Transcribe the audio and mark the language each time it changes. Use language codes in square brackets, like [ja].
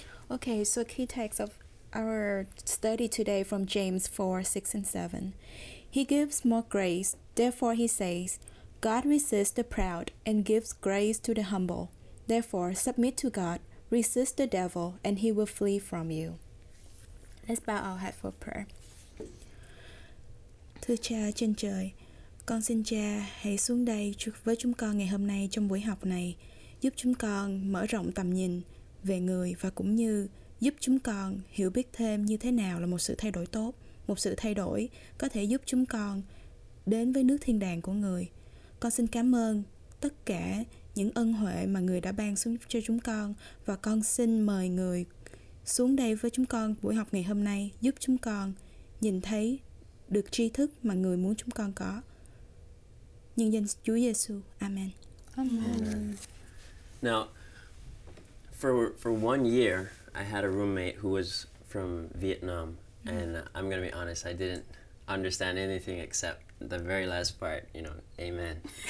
[en] Okay, so key text of our study today from James 4, 6 and 7. He gives more grace. Therefore, he says, God resists the proud and gives grace to the humble. Therefore, submit to God. Resist the devil, and he will flee from you. Let's bow our head for prayer. [vi] Thưa Cha trên trời, con xin Cha hãy xuống đây với chúng con ngày hôm nay trong buổi học này, giúp chúng con mở rộng tầm nhìn về người và cũng như giúp chúng con hiểu biết thêm như thế nào là một sự thay đổi tốt, một sự thay đổi có thể giúp chúng con đến với nước thiên đàng của người. Con xin cảm ơn tất cả những ân huệ mà người đã ban xuống cho chúng con, và con xin mời người xuống đây với chúng con buổi học ngày hôm nay, giúp chúng con nhìn thấy được tri thức mà người muốn chúng con có. Nhân danh Chúa Giêsu, Amen. Amen. [en] Now, for 1 year, I had a roommate who was from Vietnam, and I'm going to be honest, I didn't understand anything except the very last part, you know, Amen.